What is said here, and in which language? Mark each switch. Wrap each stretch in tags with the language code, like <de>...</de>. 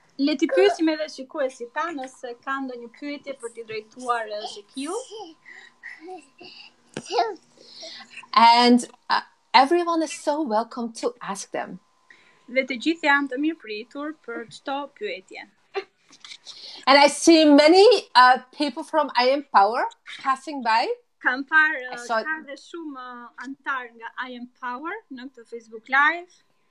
<sq>Le të pyesim edhe shikuesit tanë nëse kanë ndonjë pyetje për t'i drejtuar Sheki.</sq> <en>And everyone is so welcome to ask them.</en> <sq>Dhe të gjithë janë të mirëpritur për çdo pyetje.</sq> <en>And I see many people from I Am Power passing by.</en> <sq>Kam parë edhe shumë antar nga I Am Power në këtë Facebook Live.</sq>